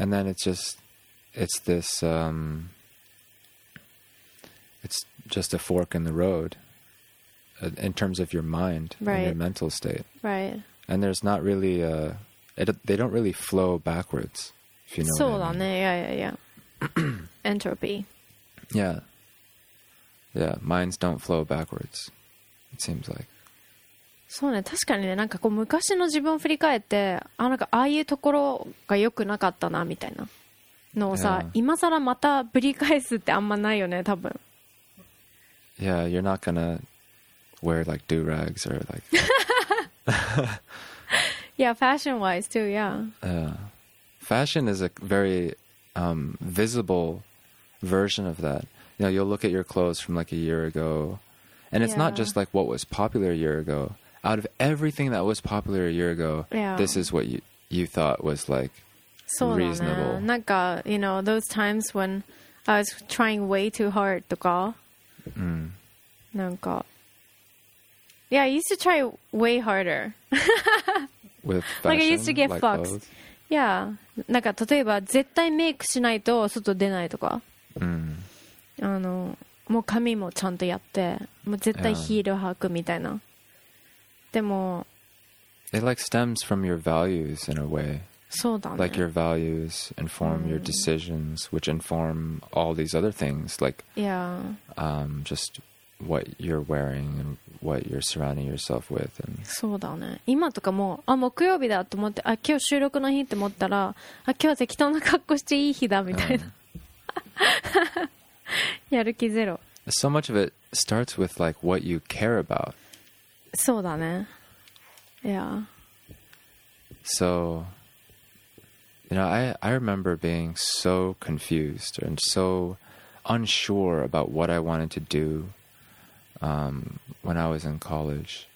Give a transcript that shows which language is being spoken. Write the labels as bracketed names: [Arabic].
[English] And then it's just a fork in the road in terms of your mind and your mental state. Right. And there's not really, they don't really flow backwards, if you know Soul what I mean. On there, yeah. Entropy. Yeah. Yeah, minds don't flow backwards, it seems like. [Japanese] そうね、確かにね、なんかこう昔の自分を振り返って、あ、なんかああいうところが良くなかったな、みたいなのをさ、今更またぶり返すってあんまないよね、多分。 [English] Yeah, you're not gonna wear like do-rags or like... yeah, fashion wise too, yeah. Fashion is a very visible version of that. You know, you'll look at your clothes from like a year ago, and it's not just like what was popular a year ago. Out of everything that was popular a year ago, this is what you thought was like reasonable. なんか, you know, those times when I was trying way too hard とか, なんか, yeah, I used to try way harder. With fashion, like, I used to get fucked. Clothes. Yeah. [Japanese] なんか例えば絶対メイクしないと外出ないとか。あの、もう髪もちゃんとやって、もう絶対ヒール履くみたいな。でも、 [English] it like stems from your values in a way. [Japanese] そうだね。 [English] Like your values inform your decisions, which inform all these other things, like just what you're wearing and what you're surrounding yourself with. And... [Japanese] そうだね。今とかも、あ、木曜日だと思って、あ、今日収録の日って思ったら、あ、今日適当な格好していい日だみたいな。やる気ゼロ。 [English] So much of it starts with like what you care about. [Japanese] そうだね。Yeah. [English] So, you know, I remember being so confused and so unsure about what I wanted to do when I was in college.